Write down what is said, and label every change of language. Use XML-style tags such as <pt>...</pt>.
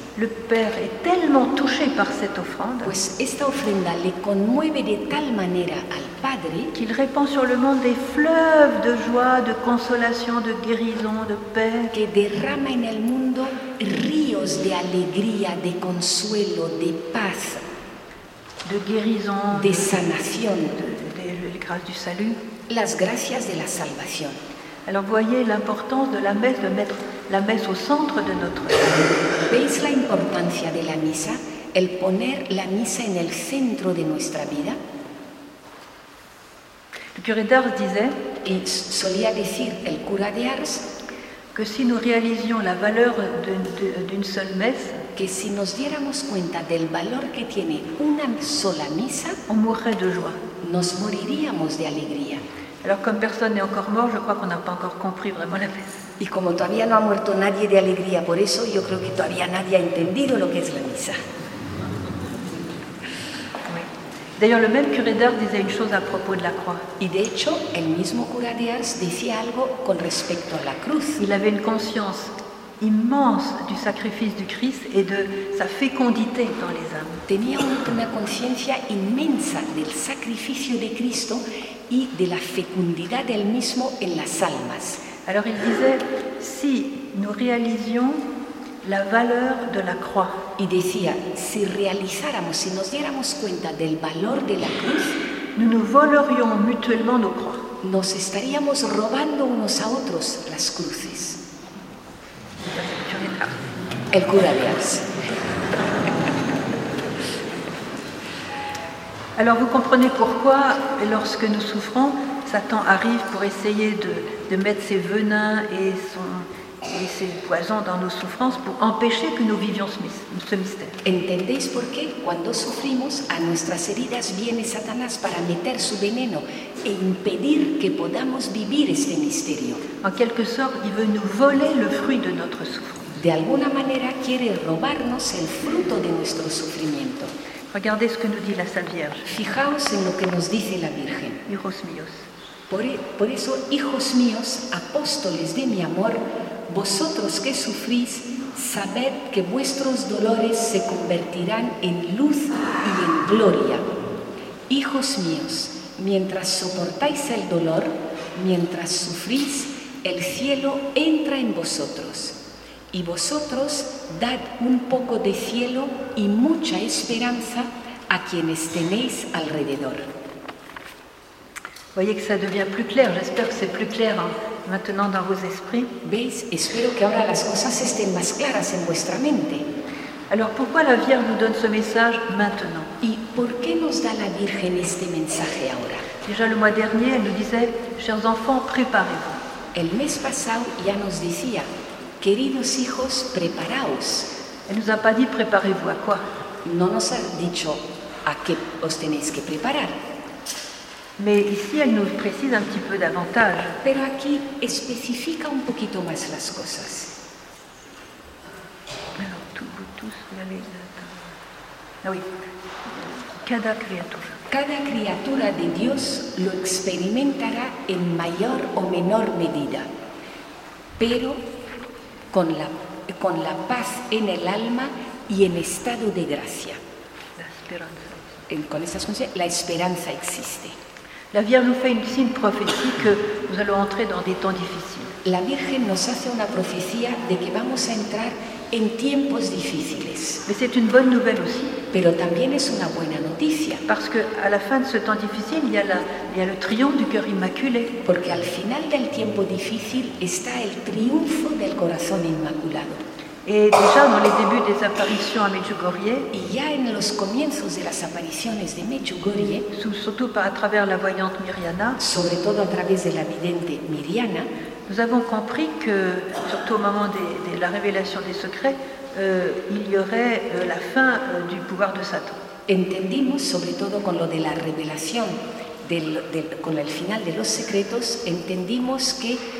<fr>Le Père est tellement touché par cette offrande,</fr> <es>pues esta ofrenda le conmueve de tal manera al Padre,</es> <fr>qu'il répand sur le monde des fleuves de joie, de consolation, de guérison, de paix.</fr> <es>Que derrama en el mundo ríos de alegría, de consuelo, de paz,</es> <fr>de guérison,</fr> <es>de sanación,</es> <fr>les grâces du salut.</fr> <es>Las gracias de la salvación.</es> <fr>Alors voyez l'importance de la messe, de mettre la messe au centre de notre vie.</fr> <es>Veis la importancia de la misa, el poner la misa en el centro de nuestra vida.</es> <fr>Le curé d'Ars disait,</fr> <es>et solía decir el cura de Ars,</es> <fr>que si nous réalisions la valeur d'une seule messe,</fr> <es>que si nos diéramos cuenta del valor que tiene una sola misa,</es> <fr>on mourrait de joie.</fr> <es>Nos moriríamos de alegría.</es> <fr>Alors comme personne n'est encore mort, je crois qu'on n'a pas encore compris vraiment la messe.</fr> <es>Y como todavía no ha muerto nadie de alegría, por eso yo creo que todavía nadie ha entendido lo que es la misa.</es> <fr>Oui. D'ailleurs, le même curé d'Ars disait une chose à propos de la croix.</fr> <es>Y de hecho, el mismo cura de Ars decía algo con respecto a la cruz.</es> <fr>Il avait une conscience immense du sacrifice du Christ et de sa fécondité dans les âmes.</fr> <es>Tenía una conciencia inmensa del sacrificio de Cristo y de la fecundidad del mismo en las almas.</es> <fr>Alors il disait, si nous réalisions la valeur de la croix,</fr> <es>y decía, si realizáramos, si nos diéramos cuenta del valor de la cruz,</es> <fr>nous nous volerions mutuellement nos croix.</fr> <es>Nos estaríamos robando unos a otros las cruces. El cura de Ars.</es> <fr>Alors vous comprenez pourquoi lorsque nous souffrons, Satan arrive pour essayer de mettre ses venins et ses poisons dans nos souffrances pour empêcher que nous vivions ce mystère.</fr> <es>¿Entendéis por qué cuando sufrimos a nuestras heridas viene Satanás para meter su veneno e impedir que podamos vivir este misterio?</es> <fr>En quelque sorte, il veut nous voler le fruit de notre souffrance.</fr> <es>De alguna manera quiere robarnos el fruto de nuestro sufrimiento.</es> <fr>Regardez ce que nous dit la Sainte Vierge.</fr> <es>Fijaos en lo que nos dice la Virgen. Hijos míos. Por eso, hijos míos, apóstoles de mi amor, vosotros que sufrís, sabed que vuestros dolores se convertirán en luz y en gloria. Hijos míos, mientras soportáis el dolor, mientras sufrís, el cielo entra en vosotros. Y vosotros dad un poco de cielo y mucha esperanza a quienes tenéis alrededor.</es> <fr>Voyez que ça devient plus clair. J'espère que c'est plus clair hein, maintenant dans vos esprits.</fr> <es>Veis, espero que ahora las cosas estén más claras en vuestra mente.</es> <fr>Alors pourquoi la Vierge nous donne ce message maintenant?</fr> <es>Y por qué nos da la Virgen este mensaje ahora?</es> <fr>Déjà le mois dernier, elle nous disait, chers enfants, préparez-vous.</fr> <es>El mes pasado ya nos decía, queridos hijos, preparaos.</es> <fr>Elle nous a pas dit, préparez-vous à quoi?</fr> <es>No nos ha dicho a qué os tenéis que preparar.</es> <fr>Mais ici, elle nous précise un petit peu davantage.</fr> <es>Pero aquí especifica un poquito más las cosas.</es> <fr>Alors, tout, vous tous, vous allez... Ah oui.</fr> <es>Cada criatura. Cada criatura de Dios lo experimentará en mayor o menor medida, pero con la paz en el alma y en estado de gracia. La esperanza. Con estas cosas, la esperanza existe.</es> <fr>La Vierge nous fait ici une prophétie que nous allons entrer dans des temps difficiles.</fr> <es>La Virgen nos hace una profecía de que vamos a entrar en tiempos difíciles.</es> <fr>Mais c'est une bonne nouvelle aussi.</fr> <es>Pero también es una buena noticia.</es> <fr>Parce que à la fin de ce temps difficile, il y a le triomphe du cœur immaculé.</fr> <es>Porque al final del tiempo difícil está el triunfo del corazón inmaculado.</es> <fr>Et déjà dans les débuts des apparitions à Medjugorje,</fr> <es>y ya en los comienzos de las apariciones de Medjugorje,</es> <fr>surtout à travers la voyante Miriana,</fr> <es>sobre todo a través de la vidente Miriana,</es> <fr>nous avons compris que surtout au moment de la révélation des secrets, il y aurait la fin du pouvoir de Satan.</fr> <es>Entendimos sobre todo con lo de la revelación con el final de los secretos, entendimos que</es>